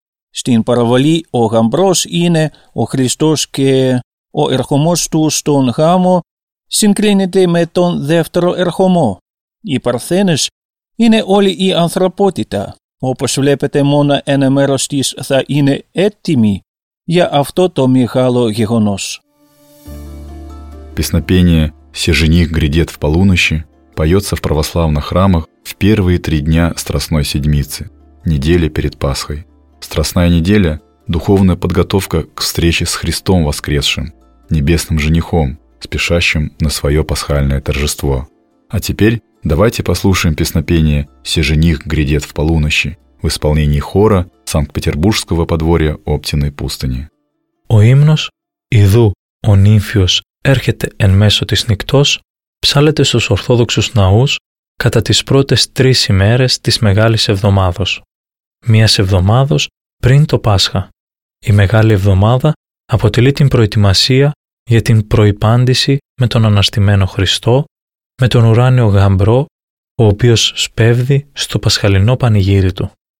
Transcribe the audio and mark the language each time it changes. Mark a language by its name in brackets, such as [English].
[Greek] Στην παραβολή ο γαμπρός είναι ο Χριστός και ο ερχομός του στον γάμο συγκρίνεται με τον δεύτερο ερχομό. Οι παρθένες είναι όλη η ανθρωπότητα. Όπως βλέπετε μόνο ένα μέρος της θα είναι έτοιμη για αυτό το μεγάλο γεγονός. [Russian] Песнопение «Се жених грядет в полунощи» поется в православных храмах в первые 3 дня Страстной Седмицы, недели перед Пасхой. Страстная неделя духовная подготовка к встрече с Христом воскресшим, небесным женихом, спешащим на свое пасхальное торжество. А теперь давайте послушаем песнопение «Се жених грядет в полунощи» в исполнении хора Санкт-Петербургского подворья Оптиной пустыни. [Greek] Ο ύμνος «Ιδού, ο νύμφιος έρχεται εν μέσω της νυχτός» ψάλλεται στους Ορθόδοξους ναούς κατά τις πρώτες τρεις ημέρες της Μεγάλης Εβδομάδος. Μίας εβδομάδος πριν το Πάσχα. Η Μεγάλη Εβδομάδα αποτελεί την προετοιμασία για την προϋπάντηση με τον Αναστημένο Χριστό, με τον ουράνιο γαμπρό, ο οποίος σπέβδει στο πασχαλινό πανηγύρι του.